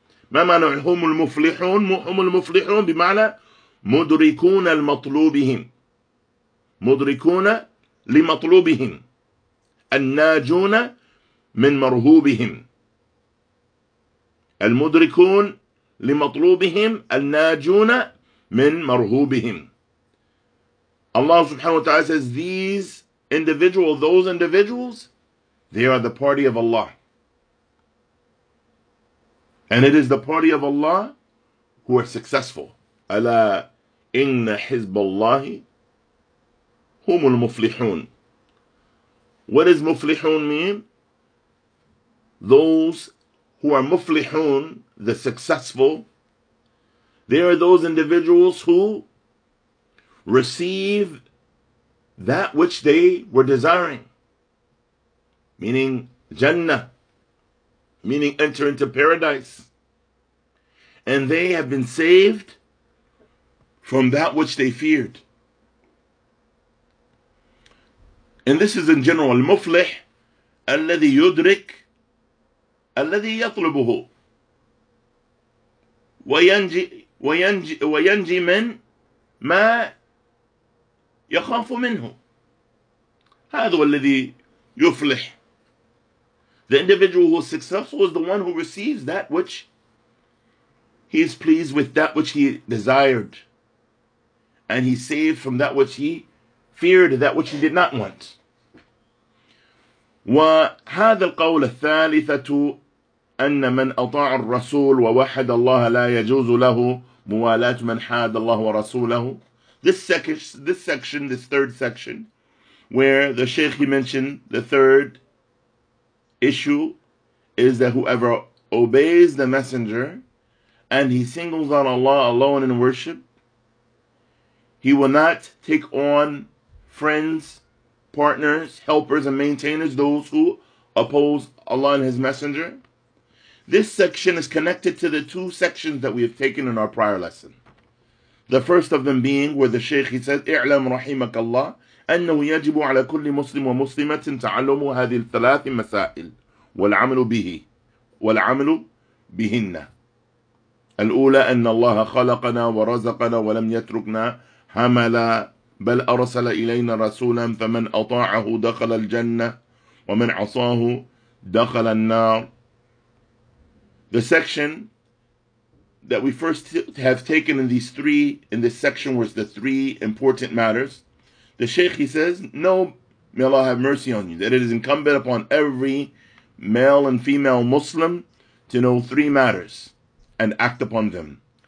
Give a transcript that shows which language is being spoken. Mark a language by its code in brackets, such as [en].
[ar] ما معنى هم المفلحون؟ هم المفلحون بمعنى مدركون المطلوبهم، مدركون لمطلوبهم، الناجون من مرهوبهم، المدركون لمطلوبهم، الناجون من مرهوبهم. الله سبحانه وتعالى [en] says those individuals, they are the party of Allah. And it is the party of Allah who are successful. [ar] ألا إن حزب الله هم المفلحون. [en] What does مفلحون mean? Those who are muflihun, the successful, they are those individuals who receive that which they were desiring, meaning Jannah, meaning enter into paradise. And they have been saved from that which they feared. And this is in general, [ar] المفلح الذي يدرك الذي يطلبه وينجي من ما يخاف منه. هذا هو الذي يفلح. [en] The individual who is successful is the one who receives that which he is pleased with, that which he desired, and he saved from that which he feared, that which he did not want. [ar] وهذا القول الثالثة أن من أطاع الرسول ووحد الله لا يجوز له موالاة من حاد الله ورسوله. [en] This third section, where the Sheikh he mentioned the third issue, is that whoever obeys the Messenger and he singles on Allah alone in worship, he will not take on friends, partners, helpers, and maintainers, those who oppose Allah and His Messenger. This section is connected to the two sections that we have taken in our prior lesson. The first of them being where the Shaykh he says, [ar] اعلم رحمك الله أنه يجب على كل مسلم ومسلمة تعلم هذه الثلاث مسائل والعمل به والعمل بهن. الأولى أن الله خلقنا ورزقنا ولم يتركنا هملا بل أرسل إلينا رسولا فمن أطاعه دخل الجنة ومن عصاه دخل النار. [en] The section that we first have taken in these three, in this section, was the three important matters. The Shaykh, he says, no, may Allah have mercy on you, that it is incumbent upon every male and female Muslim to know three matters and act upon them.